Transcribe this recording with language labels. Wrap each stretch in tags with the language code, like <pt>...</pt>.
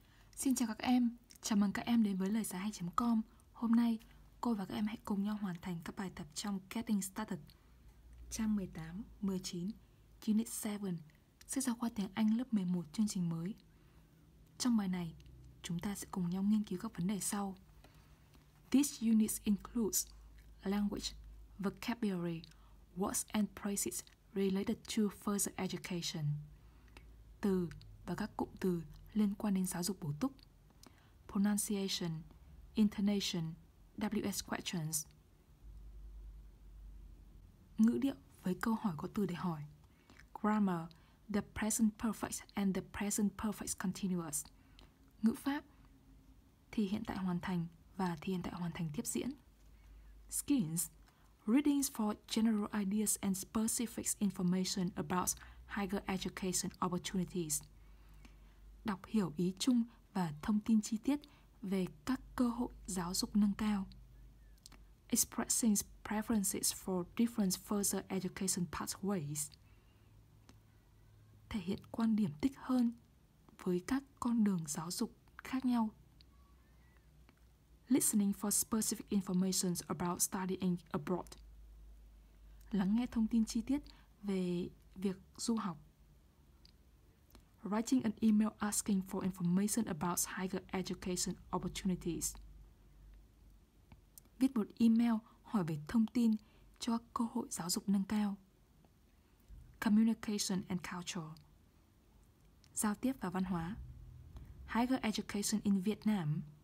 <vi>Xin chào các em, chào mừng các em đến với lời giải hay.com. Hôm nay, cô và các em hãy cùng nhau hoàn thành các bài tập trong Getting Started. Trang 18, 19, Unit 7, sách giáo khoa tiếng Anh lớp 11 chương trình mới. Trong bài này, chúng ta sẽ cùng nhau nghiên cứu các vấn đề sau.</vi> <en>This unit includes language, vocabulary, words and phrases related to further education.</en> <vi>Từ và các cụm từ liên quan đến giáo dục bổ túc,</vi> <en>pronunciation, intonation, WS questions,</en> <vi>ngữ điệu với câu hỏi có từ để hỏi,</vi> <en>grammar, the present perfect and the present perfect continuous,</en> <vi>ngữ pháp, thì hiện tại hoàn thành và thì hiện tại hoàn thành tiếp diễn,</vi> <en>skills, readings for general ideas and specific information about higher education opportunities,</en> <vi>đọc hiểu ý chung và thông tin chi tiết về các cơ hội giáo dục nâng cao.</vi> <en>Expressing preferences for different further education pathways.</en> <vi>Thể hiện quan điểm thích hơn với các con đường giáo dục khác nhau.</vi> <en>Listening for specific information about studying abroad.</en> <vi>Lắng nghe thông tin chi tiết về việc du học.</vi> <en>Writing an email asking for information about higher education opportunities.</en> <vi>Viết một email hỏi về thông tin cho cơ hội giáo dục nâng cao.</vi> <en>Communication and culture.</en> <vi>Giao tiếp và văn hóa.</vi> <en>Higher education in Vietnam.</en>